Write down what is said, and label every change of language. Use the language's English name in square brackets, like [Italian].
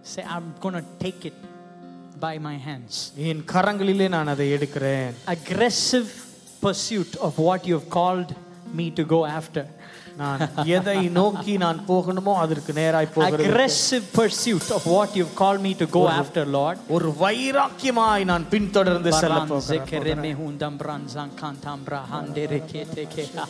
[English] Say, I'm going to take it by my hands. [Tamil] என் கரங்களிலே நான் அதை எடுக்கிறேன். [English] Aggressive pursuit of what you have called me to go after. [Tamil] நான் எதை நோக்கி நான் போகணுமோ அதற்கு நேராய் போகிறேன். [English] Aggressive pursuit of what you have called me to go after, Lord. [Tamil] ஒரு வைராக்கியமாய் நான் பின் தொடர்ந்து செல்ல போகிறேன். ஜெகரேமே ஹுந்தம் பிரான்சாங் காந்தாம் பிரஹாண்டே கேதேகே.